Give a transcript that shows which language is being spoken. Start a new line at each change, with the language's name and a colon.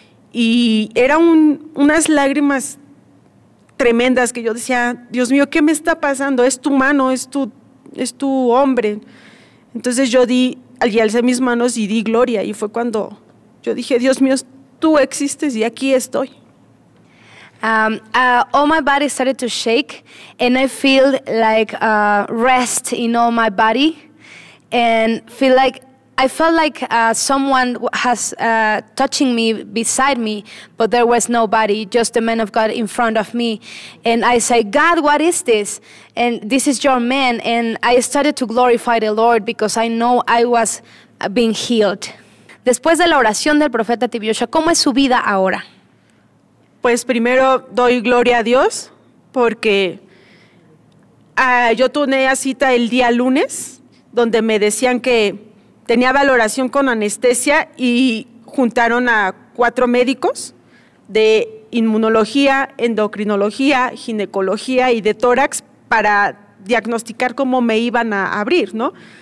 Spanish: Y eran unas lágrimas tremendas que yo decía, Dios mío, ¿qué me está pasando? Es tu mano, es tu hombre. Entonces yo di, allí alcé mis manos y di gloria, y fue cuando yo dije, Dios mío, tú existes y aquí estoy.
English: All my body started to shake, and I feel like rest in all my body, and I felt like someone has touching me beside me, but there was nobody, just the man of God in front of me. And I say, God, what is this? And this is your man. And I started to glorify the Lord because I know I was being healed.
Spanish: Después de la oración del profeta Tibiyosha, ¿cómo es su vida ahora? Pues primero doy gloria a Dios porque yo tenía cita el día lunes donde me decían que tenía valoración con anestesia y juntaron a 4 médicos de inmunología, endocrinología, ginecología y de tórax para diagnosticar cómo me iban a abrir, ¿no?